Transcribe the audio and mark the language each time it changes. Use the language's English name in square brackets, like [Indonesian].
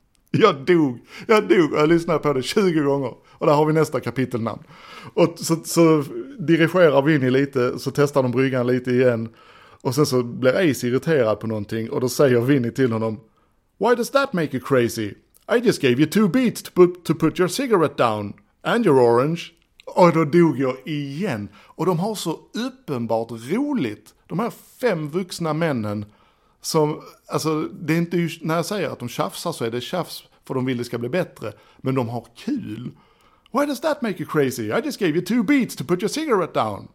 [Swedish] Jag dog, jag lyssnade på det 20 gånger. Och där har vi nästa kapitelnamn. Och så dirigerar Vinny lite, så testar de bryggan lite igen. Och sen så blir Ace irriterad på någonting, och då säger Vinny till honom: [English] "Why does that make you crazy? I just gave you 2 beats to put your cigarette down. And your orange." [Swedish] Och då dog jag igen. Och de har så uppenbart roligt, de här 5 vuxna männen. Som, alltså, det är inte, när jag säger att de tjafsar så är det tjafs för de vill det ska bli bättre. Men de har kul. [English] "Why does that make you crazy? I just gave you 2 beats to put your cigarette down.